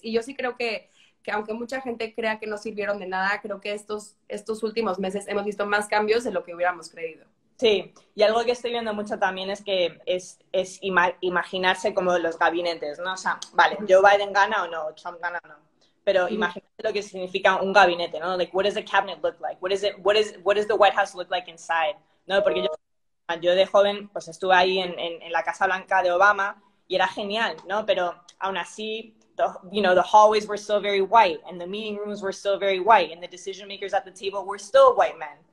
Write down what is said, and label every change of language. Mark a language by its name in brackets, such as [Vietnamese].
[Spanish] Y yo sí creo que aunque mucha gente crea que no sirvieron de nada, creo que estos últimos meses hemos visto más cambios de lo que hubiéramos creído. Sí, y algo que estoy viendo mucho también es que es imaginarse como los gabinetes, ¿no? O sea, vale, Joe Biden gana o no, Trump gana o no, pero imagínate lo que significa un gabinete, ¿no? [English] Like, what does the cabinet look like? What does the White House look like inside? [Spanish] ¿No? Porque yo de joven, pues estuve ahí en la Casa Blanca de Obama y era genial, ¿no? Pero aún así... [English] The hallways were still very white, and the meeting rooms were still very white, and the decision makers at the table were still white men.